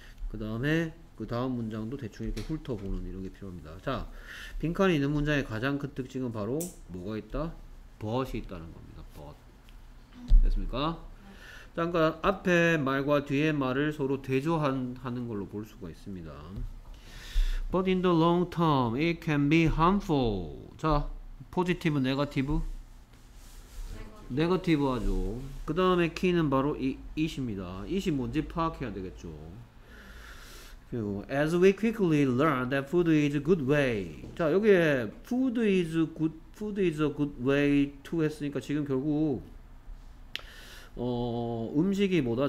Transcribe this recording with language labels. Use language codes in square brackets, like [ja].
[ko] 그다음에 그 다음 문장도 대충 이렇게 훑어보는 이런 게 필요합니다. 자, 빈칸에 있는 문장의 가장 큰 특징은 바로 뭐가 있다? but이 있다는 겁니다. but. 됐습니까? 잠깐 앞에 말과 뒤에 말을 서로 대조하는 걸로 볼 수가 있습니다. [en] But in the long term, it can be harmful. [ko] 자, positive, negative? negative 하죠. 그 다음에 키는 바로 이 it입니다. it이 뭔지 파악해야 되겠죠. [en] 그리고 as we quickly learn that food is a good way. [ko] 자, 여기에 [en] food is a good way to [ko] 했으니까 지금 결국 음식이 뭐다?